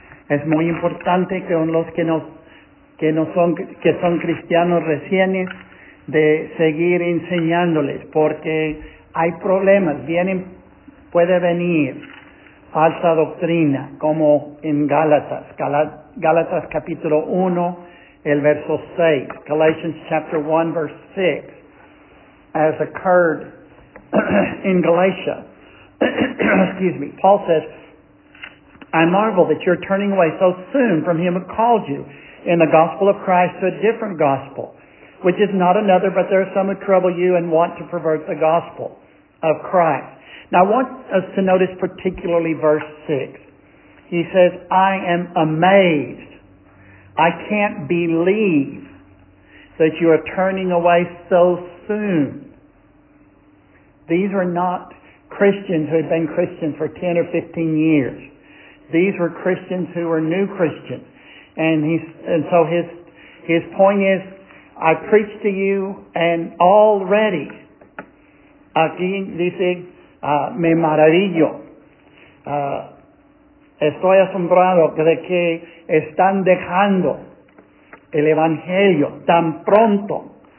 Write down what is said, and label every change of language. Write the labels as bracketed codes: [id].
[es] Es muy importante que los que son cristianos recientes de seguir enseñándoles, porque hay problemas, puede venir falsa doctrina, como en Gálatas, Gálatas capítulo 1, el verso 6, [en] Galatians chapter 1, verse 6, as occurred in Galatia. Excuse me. Paul says, I marvel that you're turning away so soon from him who called you in the gospel of Christ to a different gospel, which is not another, but there are some who trouble you and want to pervert the gospel of Christ. Now, I want us to notice particularly verse 6. He says, I am amazed. I can't believe that you are turning away so soon. These were not Christians who had been Christians for 10 or 15 years. These were Christians who were new Christians. And so his point is, I preach to you and already, [es] aquí dice, me maravillo. Estoy asombrado de que están dejando el Evangelio tan pronto.